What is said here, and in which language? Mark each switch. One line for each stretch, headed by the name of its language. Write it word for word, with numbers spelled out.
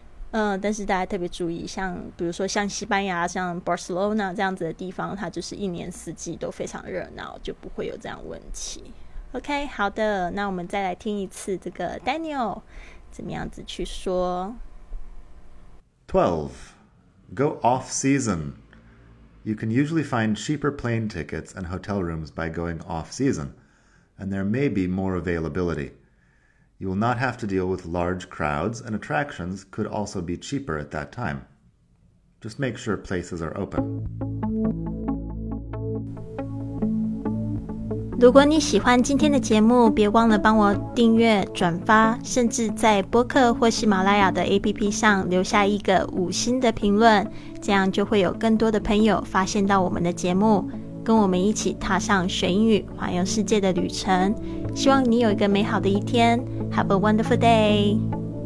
Chinese: 嗯，但是大家特别注意，像比如说像西班牙像 Barcelona 这样子的地方，它就是一年四季都非常热闹，就不会有这样问题。 OK, 好的，那我们再来听一次这个 Daniel 怎么样子去说
English: twelve. Go off-season. You can usually find cheaper plane tickets and hotel rooms by going off-season, and there may be more availability. You will not have to deal with large crowds, and attractions could also be cheaper at that time. Just make sure places are open.
Chinese: 如果你喜欢今天的节目，别忘了帮我订阅、转发，甚至在播客或喜马拉雅的 A P P 上留下一个五星的评论，这样就会有更多的朋友发现到我们的节目，跟我们一起踏上学英语环游世界的旅程。希望你有一个美好的一天，
English: Have a wonderful day!